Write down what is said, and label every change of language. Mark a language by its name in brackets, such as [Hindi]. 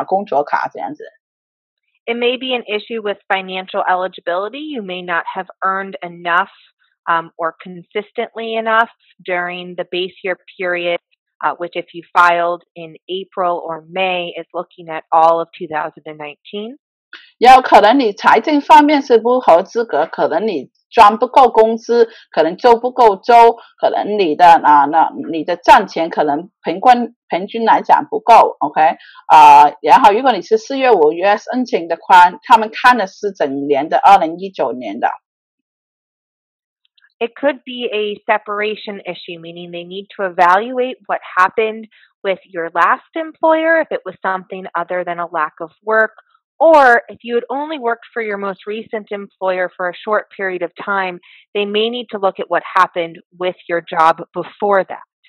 [Chinese] 如果你不是美国公民的话，他可能还在等你的那个工作的证明，可以去领取你去工作的那些卡，就像绿卡工作卡这样子。It [English] may be an issue with financial eligibility. You may not have earned enough or consistently enough during the base year period, which if you filed in April or May is looking at all of 2019. [Chinese] 然后可能你财政方面是不合资格，可能你赚不够工资，可能周不够周，可能你的赚钱可能平均来讲不够，OK，然后如果你是4月5月申请的款，他们看的是整年的2019年的。It [English] could be a separation issue, meaning they need to evaluate what happened with your last employer, if it was something other than a lack of work, or if you had only worked for your most recent employer for a short period of time, they may need to look at what happened with your job before that.